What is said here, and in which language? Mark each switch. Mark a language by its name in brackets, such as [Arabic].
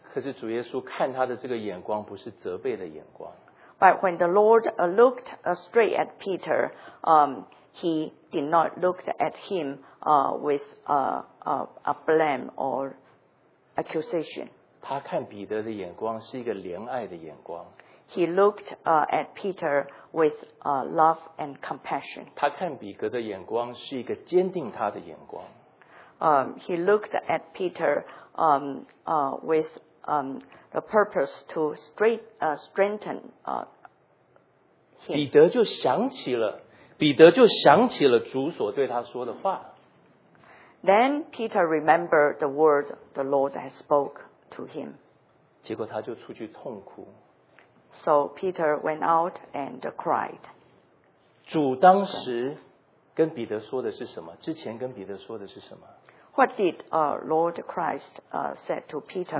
[Chinese] 可是主耶稣看他的这个眼光不是责备的眼光。 [English] But when the Lord looked straight at Peter, he did not look at him with a blame or accusation. [Chinese] 他看彼得的眼光是一个怜爱的眼光。 [English] He looked at Peter with love and compassion. [Chinese] 他看彼得的眼光是一个坚定他的眼光。 [English] He looked at Peter with the purpose to strengthen him. [Chinese] 彼得就想起了主所对他说的话。 [English] Then Peter remembered the word the Lord had spoke to him. [Chinese] 结果他就出去痛哭。 [English] So Peter went out and cried. [Chinese] 主当时跟彼得说的是什么?之前跟彼得说的是什么? [English] What did Lord Christ said to Peter?